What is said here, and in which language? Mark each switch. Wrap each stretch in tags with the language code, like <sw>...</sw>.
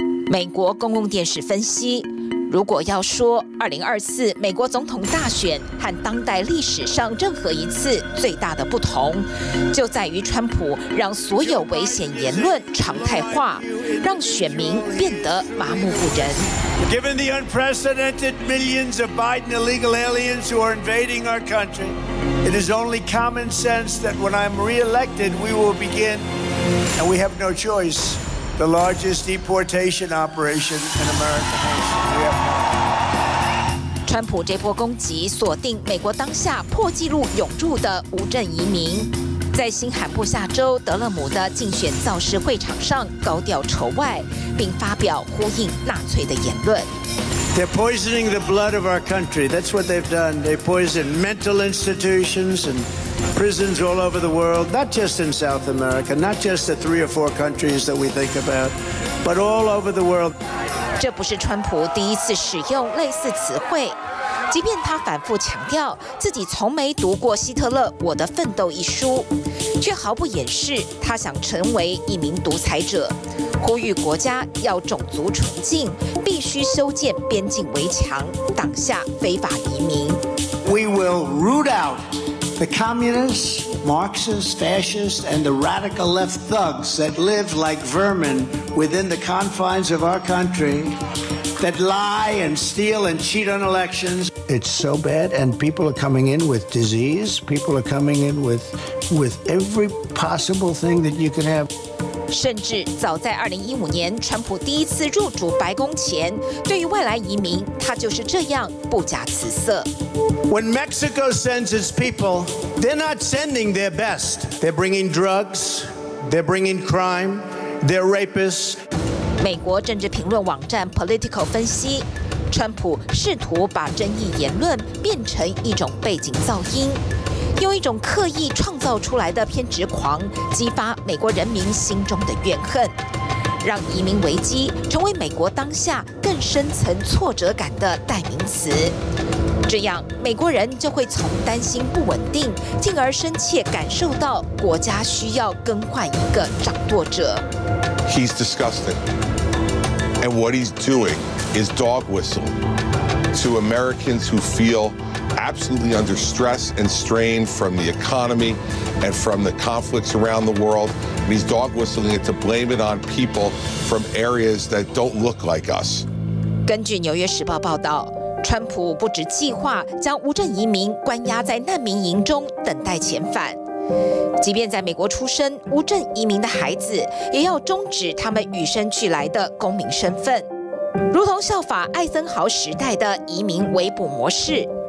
<zh>美国公共电视分析，如果要说2024美国总统大选和当代历史上任何一次最大的不同，就在于川普让所有危险言论常态化，让选民变得麻木不仁。</zh> <en>Given the unprecedented millions of Biden illegal aliens who are invading our country, it is only common sense that when I'm re-elected, we will begin, and we have no choice. The largest deportation operation in America.</en> <zh>川普这波攻击锁定美国当下破纪录涌入的无证移民，在新罕布夏州德勒姆的竞选造势会场上高调筹外，并发表呼应纳粹的言论。</zh> <en>They're poisoning the blood of our country. That's what they've done. They poison mental institutions and prisons all over the world, not just in South America, not just the three or four countries that we think about, but all over the world.</en> <zh>这不是川普第一次使用类似词汇，即便他反复强调自己从没读过希特勒《我的奋斗》一书，却毫不掩饰他想成为一名独裁者。呼吁国家要种族纯净，必须修建边境围墙，挡下非法移民。</zh> <en>We will root out the communists, Marxists, fascists, and the radical left thugs that live like vermin within the confines of our country, that lie and steal and cheat on elections. It's so bad, and people are coming in with disease. People are coming in with every possible thing that you can have.</en> <zh>甚至早在2015年，川普第一次入主白宫前，对于外来移民，他就是这样不假辞色。</zh> <en>When Mexico sends its people, they're not sending their best. They're bringing drugs. They're bringing crime. They're rapists.</en> <zh>美国政治评论网站 Political 分析，川普试图把争议言论变成一种背景噪音。用一种刻意创造出来的偏执狂，激发美国人民心中的怨恨，让移民危机成为美国当下更深层挫折感的代名词。这样，美国人就会从担心不稳定，进而深切感受到国家需要更换一个掌舵者。</zh> <en>He's disgusting, and what he's doing is dog whistle to Americans who feel. Absolutely under stress and strain from the economy and from the conflicts around the world. And he's dog whistling it to blame it on people from areas that don't look like us.</en> <zh>根据纽约时报报道，川普不只计划将无证移民关押在难民营中等待遣返，即便在美国出生无证移民的孩子，也要终止他们与生俱来的公民身份，如同效法艾森豪时代的移民围捕模式。</zh>